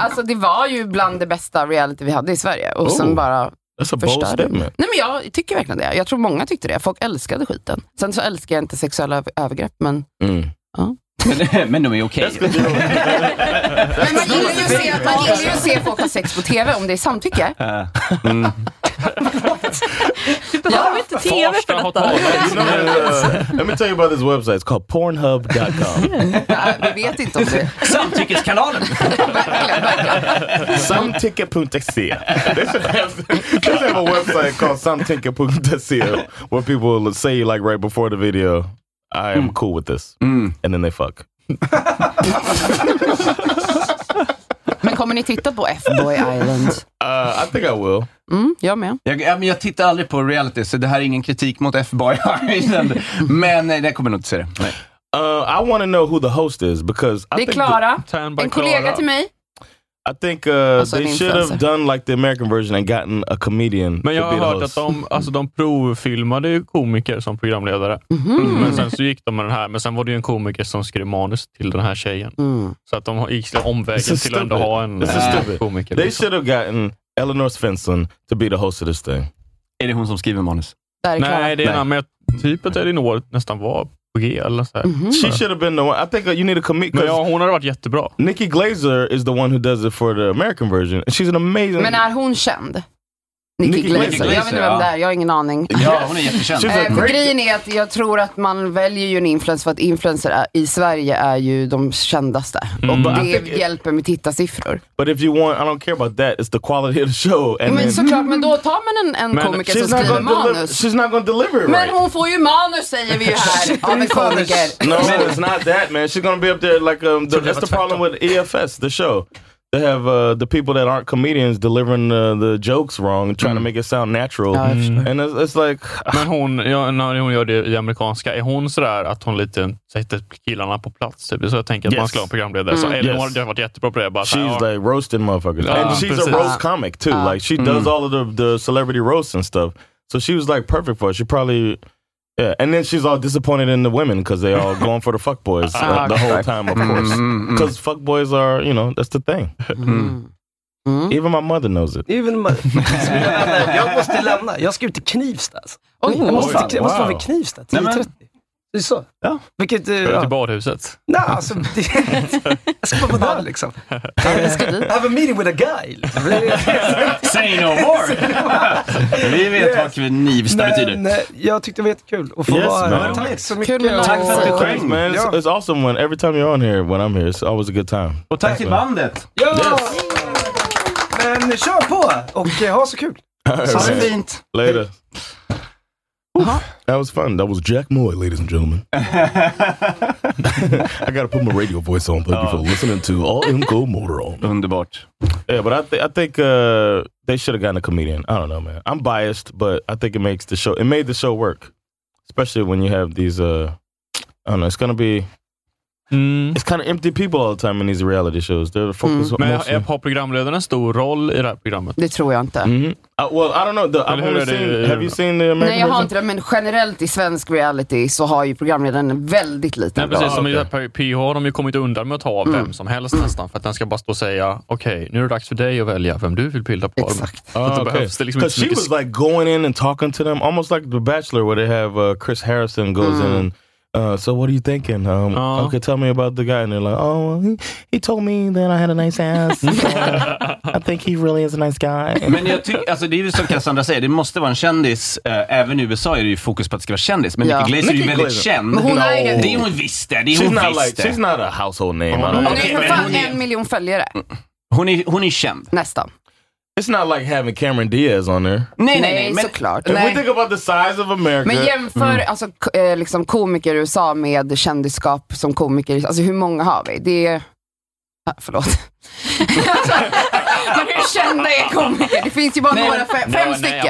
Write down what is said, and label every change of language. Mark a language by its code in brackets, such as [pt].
[sv] Alltså det var ju bland det bästa reality vi hade i Sverige. Och sen bara... Nej, men jag tycker verkligen det. Jag tror många tyckte det. Folk älskade skiten. Sen så älskar jag inte sexuella övergrepp, men... Men de är okej. Men man gillar ju att se folk ha sex på tv om det är samtycke. [en] Let me tell you about this website. It's called Pornhub.com. [sv] Vi vet inte om det. Samtyckeskanalen. Samtycke.se. [en] They should have a website called Samtycke.se where people say, like, right before the video, I am cool with this. And then they fuck. [sv] Men kommer ni titta på F-Boy Island? [en] I think I will. [sv] Jag med. Jag tittar aldrig på reality, så det här är ingen kritik mot F-Boy Island. Men nej, det kommer nog inte se det. [en] I want to know who the host is, because [sv] det är Klara, en kollega Clara. Till mig. [en] I think they should have done like the American version and gotten a comedian. [sv] Men jag [en] to be [sv] har hört [en] host. [sv] Att de provfilmade ju komiker som programledare. Mm-hmm. Men sen så gick de med den här. Men sen var det ju en komiker som skrev manus till den här tjejen. Mm. Så att de gick omvägen till [en] stupid. [sv] Att ändå ha en komiker. [en] They liksom. Should have gotten Elinor Svensson to be the host of this thing. [sv] Är det hon som skriver manus? Där är nej, det är nej. Med typet Elinor nästan var... [en] She should have been the one. I think you need a comedian. [sv] Men ja, hon har varit jättebra. [en] Nikki Glaser is the one who does it for the American version. She's an amazing. [sv] Men är hon känd? Nikki Glaser. Jag vet inte vem det är. Jag har ingen aning. Ja, hon är jättekänd. För grejen är att jag tror att man väljer ju en influencer, för att influencer i Sverige är ju de kändaste. Och det hjälper med tittarsiffror. [en] But if you want, I don't care about that. It's the quality of the show. And [sv] men såklart, men då tar man en komiker som skriver manus. [en] She's not gonna deliver it [sv] men [en] right. [sv] Men hon får ju manus, säger vi ju här. Av en komiker. [en] No, it's not that, man. She's gonna be up there like, that's the problem with EFS, the show. They have the people that aren't comedians delivering the jokes wrong, trying to make it sound natural. Mm. And it's like... [sv] Men hon, ja, när hon gör det i amerikanska, är hon sådär att hon lite sätter killarna på plats? Typ. Så jag tänker att man ska ha en programledare. Så Elinor har varit jättebra på det. Bara [en] she's like roasting motherfuckers. And she's a roast comic too. Like she does all of the celebrity roasts and stuff. So she was like perfect for it. She probably, yeah. And then she's all disappointed in the women because they all going for the fuck boys the whole time, of course. Because fuck boys are, you know, that's the thing. Mm. Even my mother knows it. Even my [sv] jag måste lämna. Jag ska ut till Knivsta. Jag måste vara vid Knivsta. 10:30. Det är så. Ja. Vilket ska till badhuset. Nej, alltså jag ska vara där liksom. Ska du? [en] Have a meeting with a guy. Say no more. [sv] Vi vet vad Knivsta betyder. Men jag tyckte det var jättekul att få vara. Tack så mycket. Tack för att du kom. [en] It's awesome when every time you're on here, when I'm here, it's always a good time. [sv] Och tack till bandet. [en] Yo. [sv] Men kör på och ha så kul. Ha det fint. [en] Later. That was fun. That was Jack Moy, ladies and gentlemen. I gotta put my radio voice on, thank you for listening to All In Go Motor On. [sv] Underbart. [en] Yeah, but I think they should have gotten a comedian. I don't know, man. I'm biased, but I think it makes the show. It made the show work, especially when you have these. I don't know. It's gonna be. Mm. It's kind of empty people all the time in these reality shows. They're the focus. Mm. [sv] Men är popprogramledaren en stor roll i det här programmet? Det tror jag inte. [en] Mm-hmm. Well, I don't know. Have you seen the American [sv] Nej, jag har inte det, men generellt i svensk reality så har ju programledaren en väldigt liten roll. Precis, som okay. I PH har de ju kommit undan med att ta vem som helst nästan, för att den ska bara stå och säga, okej, okay, nu är det dags för dig att välja vem du vill bilda på. Exakt. [en] Because [sv] liksom [en] she was like going in and talking to them, almost like The Bachelor, where they have Chris Harrison goes in and so what are you thinking? Okay, tell me about the guy. And they're like, oh, he told me that I had a nice ass. I think he really is a nice guy. [sv] Men jag tycker, alltså det är ju som Cassandra säger, det måste vara en kändis. Även i USA är det ju fokus på att det ska vara kändis. Men Nicky Glaser är ju väldigt känd. Hon är ju det hon visste. Det hon visste. Like, [en] she's not a household name. [sv] Hon är för fan 1 miljon följare. Hon är känd. Nästan. [en] It's not like having Cameron Diaz on there. [sv] Nej, såklart. [en] If we think about the size of America. [sv] Men jämför alltså liksom komiker i USA med kändiskap som komiker. Alltså hur många har vi? Det är förlåt. Men hur kända är komiker? Det finns ju bara några fem stycken.